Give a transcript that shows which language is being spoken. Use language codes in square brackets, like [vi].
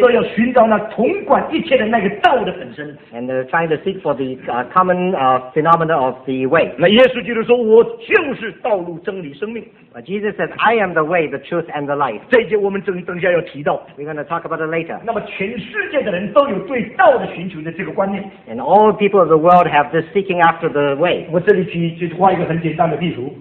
[zh] 都要寻找那统管一切的那个道的本身, [en] and trying to seek for the common phenomena of the way. [zh] 那耶稣基督说，我就是道路、真理、生命。 [en] But Jesus says, I am the way, the truth, and the life. [zh] 这一节我们等一下要提到, [en] we're going to talk about it later. [zh] 那么全世界的人都有对道的寻求的这个观念, [en] and all people of the world have this seeking after the way. [zh] 我这里去画一个很简单的地图,